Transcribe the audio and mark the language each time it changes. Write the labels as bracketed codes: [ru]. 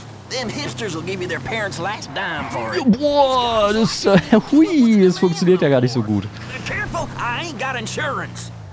[en] Them hipsters will give you their parents' last dime for it. [de] Boah, das, das funktioniert ja gar nicht so gut. [en] Careful, I ain't got insurance.